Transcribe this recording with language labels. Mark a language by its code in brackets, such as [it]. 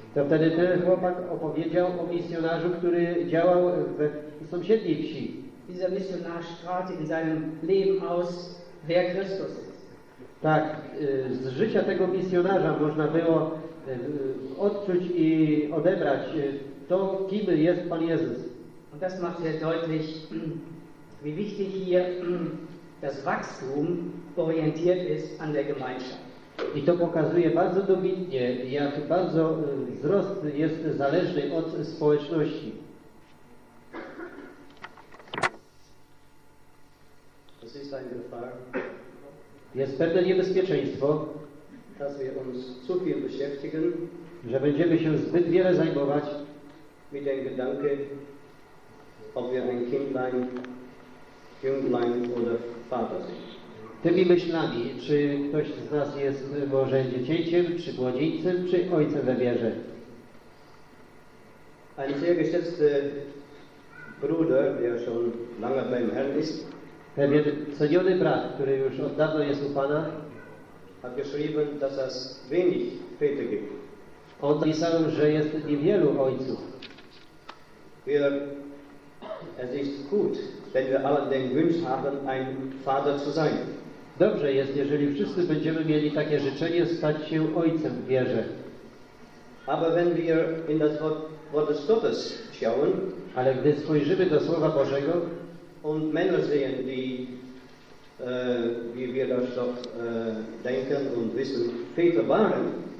[pl] To wtedy ten chłopak opowiedział o misjonarzu, który działał w sąsiedniej wsi. [de] Dieser Missionar strahlte in seinem Leben aus, wer Christus ist. [pl] Tak, z życia tego misjonarza można było odczuć i odebrać to, kim jest Pan Jezus. [de] Und das macht sehr deutlich, wie wichtig hier das Wachstum orientiert ist an der Gemeinschaft. [pl] I to pokazuje bardzo dobitnie, jak bardzo wzrost jest zależny od społeczności. [de] Das ist eine Gefahr. [pl] Jest pewne niebezpieczeństwo, [de] dass wir uns zu viel beschäftigen, [pl] że będziemy się zbyt wiele zajmować [de] mit den Gedanken, ob wir ein Kindlein, Junglein oder Vater sind. [pl] Tymi myślami, czy ktoś z nas jest może dziecięciem, czy młodzieńcem, czy ojcem we wierze. [de] Ein sehr geschätzter Bruder, der schon lange beim Herrn ist, der wird [pl] cudowny brat, który już od dawna jest u Pana, [de] hat geschrieben, dass es wenig Väter gibt. [pl] On napisał, że jest niewielu ojców. [de] Es ist gut, wenn wir alle den Wunsch haben, ein Vater zu sein. [pl] Dobrze jest, jeżeli wszyscy będziemy mieli takie życzenie stać się ojcem w wierze. [de] Aber wenn wir in das Wort des Gottes schauen, [pl] ale gdy spojrzymy do Słowa Bożego, [de] und Männer sehen, die, wie wir das doch denken und wissen, Väter waren,